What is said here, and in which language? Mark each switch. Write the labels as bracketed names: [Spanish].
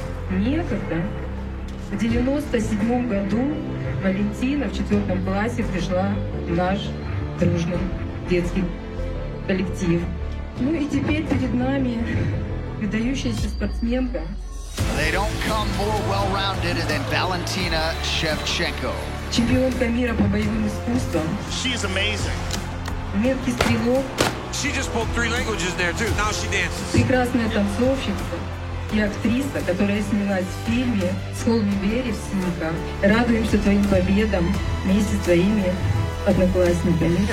[Russian] В 97-м году Валентина в 4-м классе пришла в наш дружный детский коллектив. Ну и теперь перед нами выдающаяся спортсменка. [English] They don't come more well-rounded than Valentina Shevchenko. [Russian] Чемпионка мира по боевым искусствам. [English] She is amazing. [Russian] Меткий стрелок. [English] She just spoke three languages there too. Now she dances. [Russian] Прекрасная танцовщица. И актриса, которая снялась в фильме «Холл Мюбери» в «Синьках». Радуемся твоим победам вместе с твоими одноклассниками.